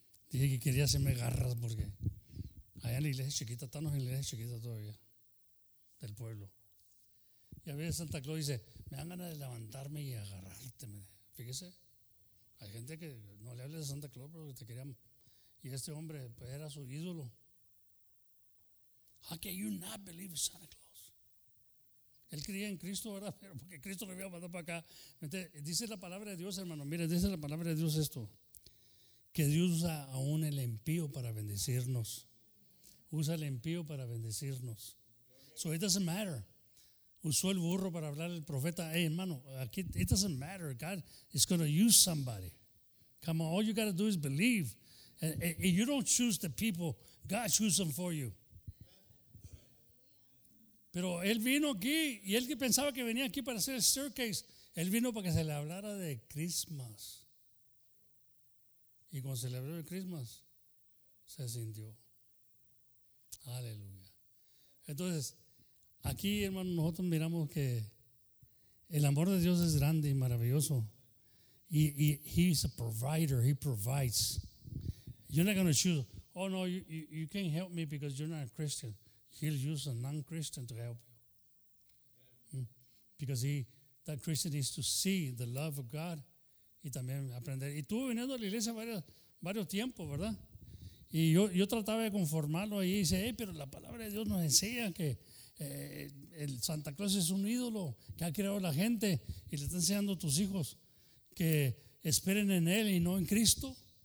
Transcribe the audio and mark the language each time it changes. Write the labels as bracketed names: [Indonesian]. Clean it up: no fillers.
[Spanish] Dije que quería hacerme garras porque allá en la iglesia chiquita, estamos en la iglesia chiquita todavía, del pueblo. Y a veces Santa Claus dice, Me dan ganas de levantarme y agarrarte. Fíjese, hay gente que no le hables de Santa Claus, pero que te querían. Y este hombre, pues, era su ídolo. [English] How can you not believe in Santa Claus? [Spanish] Él creía en Cristo, ¿verdad? Pero porque Cristo lo había mandado para acá. Entonces, dice la palabra de Dios, hermano. Mire, dice la palabra de Dios esto. Que Dios usa aún el impío para bendecirnos. Usa el impío para bendecirnos. [English] So it doesn't matter. [Spanish] Usó el burro para hablar al profeta. Hey, hermano, aquí, [English] it doesn't matter. God is going to use somebody. Come on, all you got to do is believe. And you don't choose the people. God chooses them for you. [Spanish] Pero él vino aquí, y él que pensaba que venía aquí para hacer el staircase, él vino para que se le hablara de Christmas. Y cuando celebró el Christmas, se sintió. Aleluya. Entonces, aquí, hermano, nosotros miramos que el amor de Dios es grande y maravilloso. [English] Y he is a provider, he provides. You're not going to choose, oh no, you can't help me because you're not a Christian. He'll use a non-Christian to help you. Because that Christian needs to see the love of God. [Spanish] Y también aprender. Y estuve viniendo a la iglesia varios tiempos, ¿verdad? Y yo trataba de conformarlo ahí. Y dice, hey, pero la palabra de Dios nos enseña que el Santa Claus es un ídolo que ha creado la gente y le está enseñando a tus hijos que esperen en él y no en Cristo.